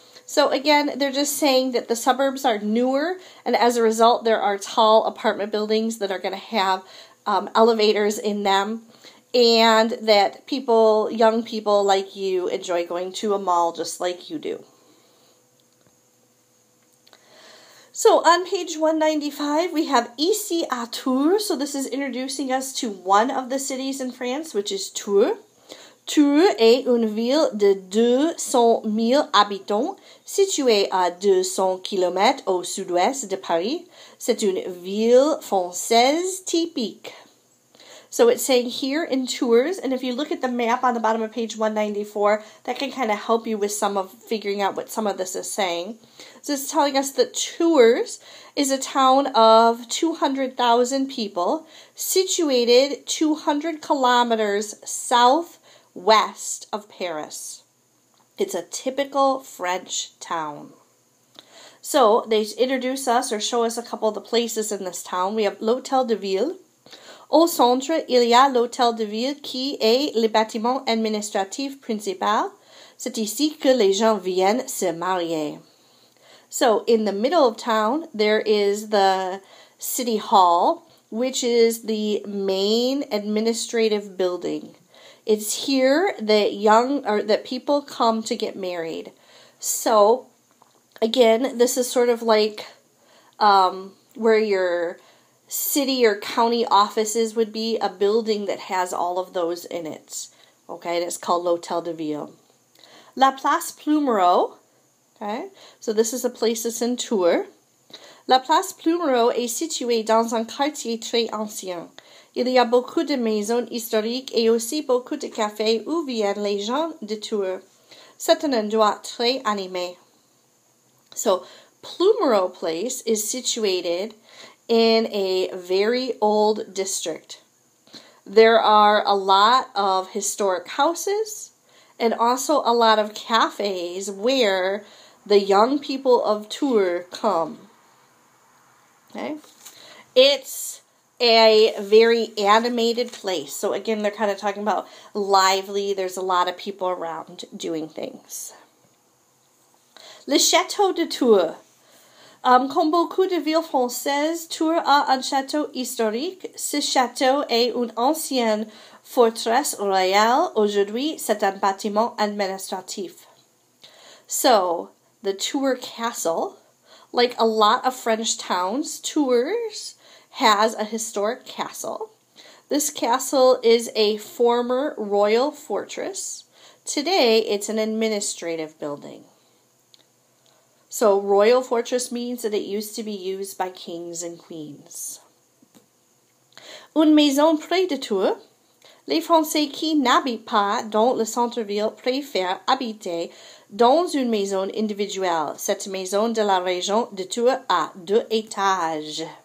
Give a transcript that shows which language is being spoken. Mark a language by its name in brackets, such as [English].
[English] So again, they're just saying that the suburbs are newer, and as a result, there are tall apartment buildings that are going to have elevators in them, and that people, young people like you, enjoy going to a mall just like you do. So on page 195, we have Ici à Tours. So this is introducing us to one of the cities in France, which is Tours. [French] Tours est une ville de 200 000 habitants située à 200 km au sud-ouest de Paris. C'est une ville française typique. [English] So it's saying here in Tours, and if you look at the map on the bottom of page 194, that can kind of help you with some of figuring out what some of this is saying. So it's telling us that Tours is a town of 200,000 people situated 200 kilometers southwest of Paris. It's a typical French town. So they introduce us or show us a couple of the places in this town. We have l'Hôtel de Ville. [French] Au centre, il y a l'Hôtel de Ville qui est le bâtiment administratif principal. C'est ici que les gens viennent se marier. [English] So, in the middle of town, there is the City Hall, which is the main administrative building. It's here that people come to get married. So, again, this is sort of like where you're city or county offices would be, a building that has all of those in it. Okay, and it's called l'Hôtel de Ville. La Place Plumereau, okay, so this is a place that's in Tours. [French] La Place Plumereau est située dans un quartier très ancien. Il y a beaucoup de maisons historiques et aussi beaucoup de cafés où viennent les gens de Tours. C'est un endroit très animé. [English] So, Plumereau Place is situated in a very old district. There are a lot of historic houses and also a lot of cafes where the young people of Tours come. Okay? It's a very animated place. So again, they're kind of talking about lively. There's a lot of people around doing things. [French] Le Château de Tours. Comme beaucoup de villes françaises, Tours a un château historique. Ce château est une ancienne forteresse royale. Aujourd'hui, c'est un bâtiment administratif. [English] So, the Tours Castle, like a lot of French towns, Tours has a historic castle. This castle is a former royal fortress. Today, it's an administrative building. So, royal fortress means that it used to be used by kings and queens. [French] Une maison près de Tours. Les Français qui n'habitent pas dans le centre-ville préfèrent habiter dans une maison individuelle. Cette maison de la région de Tours a deux étages.